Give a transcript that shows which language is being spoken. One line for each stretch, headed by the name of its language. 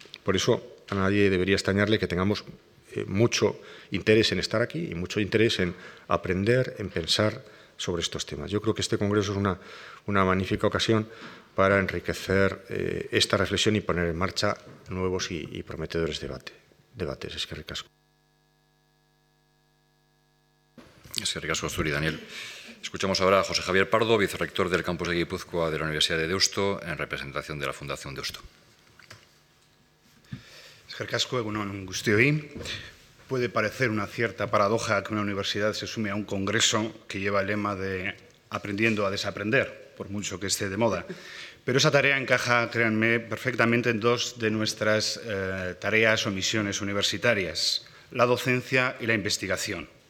Spanish: Por eso a nadie debería extrañarle que tengamos mucho interés en estar aquí y mucho interés en aprender, en pensar sobre estos temas. Yo creo que este congreso es una magnífica ocasión para enriquecer esta reflexión y poner en marcha nuevos y prometedores debates.
Basque: Eskerrik asko. Eskerrik asko zuri, Daniel.
Spanish: Escuchamos ahora a José Javier Pardo, vicerrector del campus de Guipúzcoa de la Universidad de Deusto, en representación de la Fundación Deusto.
Basque: Eskerkasko, egunon guztioi.
Spanish: Puede parecer una cierta paradoja que una universidad se sume a un congreso que lleva el lema de aprendiendo a desaprender, por mucho que esté de moda. Pero esa tarea encaja, créanme, perfectamente en dos de nuestras tareas o misiones universitarias, la docencia y la investigación.